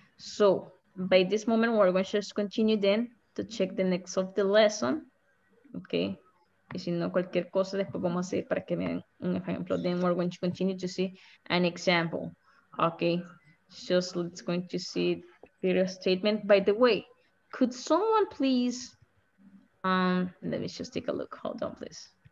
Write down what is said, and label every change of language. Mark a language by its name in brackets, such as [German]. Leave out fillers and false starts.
[English] So, by this moment, we're going to just continue then to check the next of the lesson. Okay. [Spanish] Y si no, cualquier cosa, después vamos a hacer para que me den un ejemplo. [English] Then we're going to continue to see an example. Okay. Just let's going to see the statement. By the way, could someone please, let me just take a look, hold on please.